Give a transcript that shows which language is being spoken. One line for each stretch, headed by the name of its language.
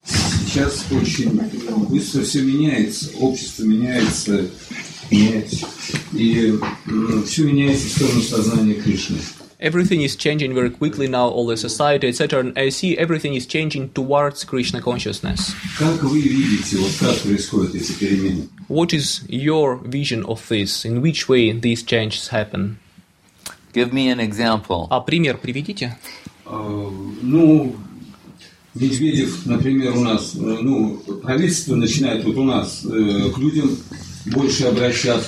Russian: сейчас очень быстро все меняется, общество меняется, и все меняется в сторону сознания Кришны.
English: Everything is changing very quickly now, all the society, etc. I see everything is changing towards Krishna consciousness.
Russian: Как вы видите, вот как происходят эти перемены?
English: What is your vision of this? In which way these changes happen? Give me an example.
Russian: А пример приведите? Ну, Медведев, например, у нас, ну, правительство начинает вот у нас к людям больше обращаться.